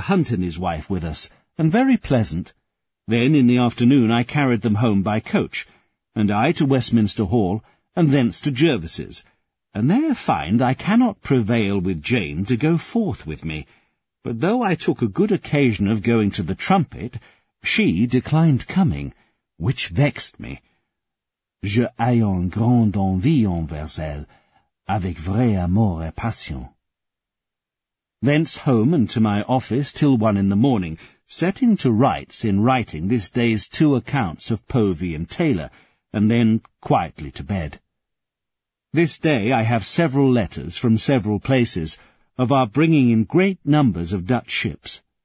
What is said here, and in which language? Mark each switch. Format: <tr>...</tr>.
<en>Hunt and his wife with us, and very pleasant. Then, in the afternoon, I carried them home by coach, and I to Westminster Hall, and thence to Jervis's, and there find I cannot prevail with Jane to go forth with me. But though I took a good occasion of going to the trumpet, she declined coming, which vexed me.</en> <fr>Je ayant grande envie envers elle, avec vrai amour et passion.</fr> <en>Thence home and to my office till 1 in the morning, setting to rights in writing this day's 2 accounts of Povey and Taylor, and then quietly to bed. This day I have several letters from several places of our bringing in great numbers of Dutch ships.</en>